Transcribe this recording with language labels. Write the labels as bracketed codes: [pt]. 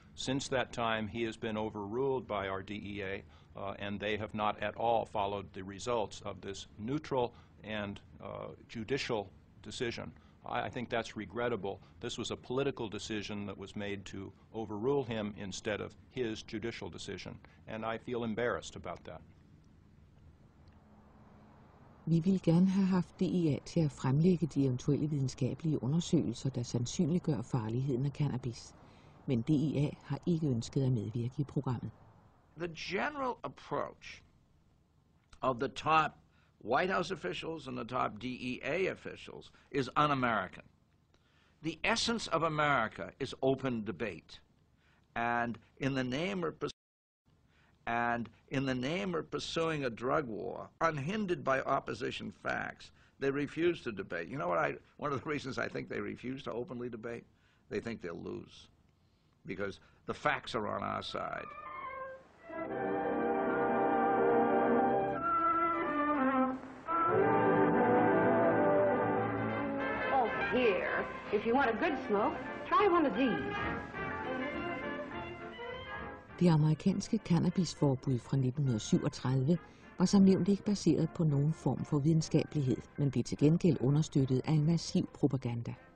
[en] Since that time, he has been overruled by our DEA, and they have not at all followed the results of this neutral and judicial decision. I think that's regrettable. This was a political decision that was made to overrule him instead of his judicial decision, and I feel embarrassed about that. [da] Vi ville gerne have haft DEA til at fremlægge de eventuelle videnskabelige undersøgelser, der sandsynliggør farligheden af cannabis. Men DEA har ikke ønsket at medvirke i programmet. [en] The general approach of the top White House officials and the top DEA officials is un-American. The essence of America is open debate. And in the name of pursuing a drug war, unhindered by opposition facts, they refuse to debate. You know what? One of the reasons I think they refuse to openly debate? They think they'll lose. Because the facts are on our side. Oh, here. If you want a good smoke, try one of these. [da] Det amerikanske cannabisforbud fra 1937 var som nævnt ikke baseret på nogen form for videnskabelighed, men blev til gengæld understøttet af en massiv propaganda.